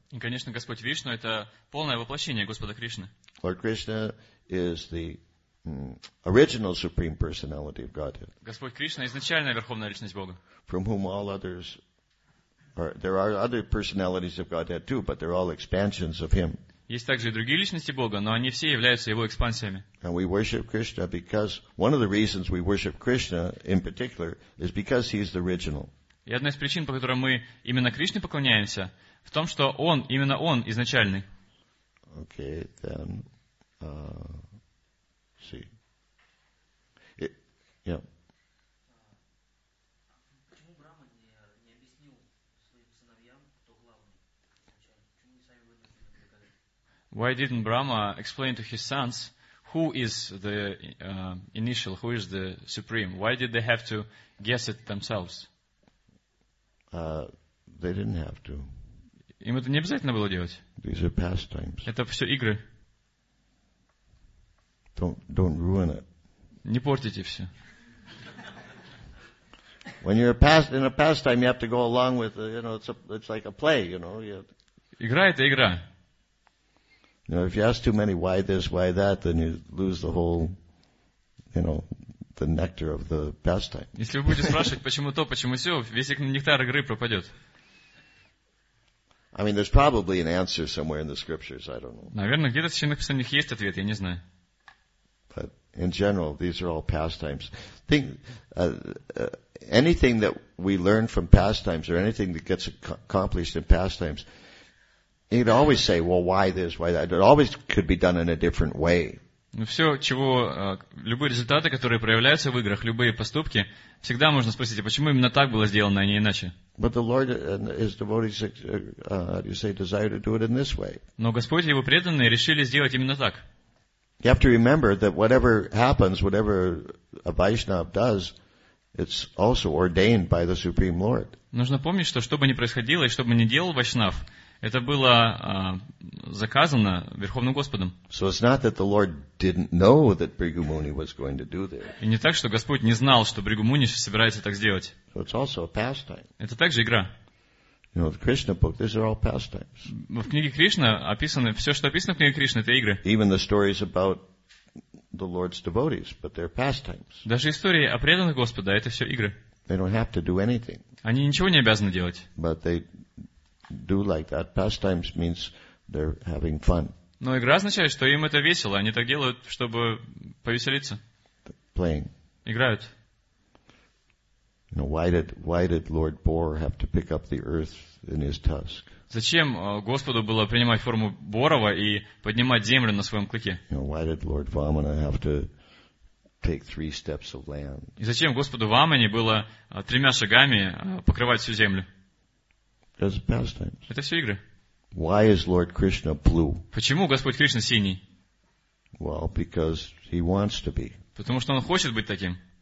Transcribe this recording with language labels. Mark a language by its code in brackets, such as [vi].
[ru] И, конечно, Господь Вишну — это полное воплощение Господа Кришны. [en] Lord Krishna is the original supreme personality of Godhead. [ru] Господь Кришна — изначальная верховная личность Бога. [en] From whom all others are, there are other personalities of Godhead too, but they're all expansions of Him. [ru] Есть также и другие личности Бога, но они все являются Его экспансиями. [en] And we worship Krishna because one of the reasons we worship Krishna in particular is because He is the original. [ru] И одна из причин, по которой мы именно Кришне поклоняемся, в том, что Он, именно Он, изначальный. [en] Okay, then, see. [ru] Почему Брама не объяснил своим сыновьям, кто главный? Почему не сами выносили? [en] Why didn't Brahma explain to his sons who is the initial, who is the supreme? Why did they have to guess it themselves? They didn't have to. [ru] Им это не обязательно было делать. [en] These are pastimes. [ru] Это все игры. [en] Don't ruin it. [ru] Не портите все. [en] When you're in a pastime, you have to go along with, you know, it's like a play, you know. [ru] Игра — это игра. [en] Now, if you ask too many why this, why that, then you lose the whole, you know, the nectar of the pastime. [ru] Если вы будете спрашивать, почему то, почему все, весь нектар игры пропадет. [en] I mean, there's probably an answer somewhere in the scriptures. I don't know. [ru] Наверное, где-то в священных писаниях есть ответ. Я не знаю. [en] But in general, these are all pastimes. Think anything that we learn from pastimes or anything that gets accomplished in pastimes, you'd always say, "Well, why this? Why that?" It always could be done in a different way. [ru] Ну все, чего любые результаты, которые проявляются в играх, любые поступки, всегда можно спросить, а почему именно так было сделано, а не иначе? [en] But the Lord and His devotees, desire to do it in this way. [ru] Но Господь и Его преданные решили сделать именно так. [en] You have to remember that whatever happens, whatever a Vaishnav does, it's also ordained by the Supreme Lord. [ru] Нужно помнить, что бы ни происходило и что бы ни делал Вайшнав, это было заказано Верховным Господом. [en] So it's not that the Lord didn't know that Bhrigu Muni was going to do this. [ru] И не так, что Господь не знал, что Бригу Муни собирается так сделать. [en] So it's also a pastime. [ru] Это также игра. [en] You know, the Krishna book, these are all pastimes. [ru] В книге Кришна описано все, что описано в книге Кришны, это игры. [en] Even the stories about the Lord's devotees, but they're pastimes. [ru] Даже истории о преданных Господа — это все игры. [en] They don't have to do anything. [ru] Они ничего не обязаны делать. [en] But they do like that. Pastimes means they're having fun. [ru] Но игра означает, что им это весело, они так делают, чтобы повеселиться. [en] Playing. [ru] Играют. [en] You know, why did Lord Boar have to pick up the earth in his tusk? [ru] Зачем Господу было принимать форму Борова и поднимать землю на своем клыке? [en] You know, why did Lord Vamana have to take three steps of land? [ru] И зачем Господу Вамане было тремя шагами покрывать всю землю? [en] That's the pastimes. [ru] Это все игры. [en] Why is Lord Krishna blue? [ru] Почему Господь Кришна синий? [en] Well, because he wants to be. [ru] Потому что он хочет быть таким.